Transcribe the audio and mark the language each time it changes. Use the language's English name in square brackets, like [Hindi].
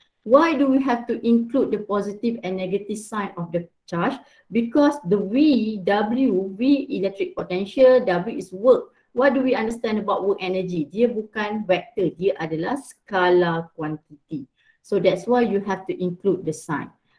[English] Why do we have to include the positive and negative sign of the charge? Because the V electric potential, W is work. What do we understand about work energy? [Malay] Dia bukan vector, dia adalah skala quantity. [English] So that's why you have to include the sign.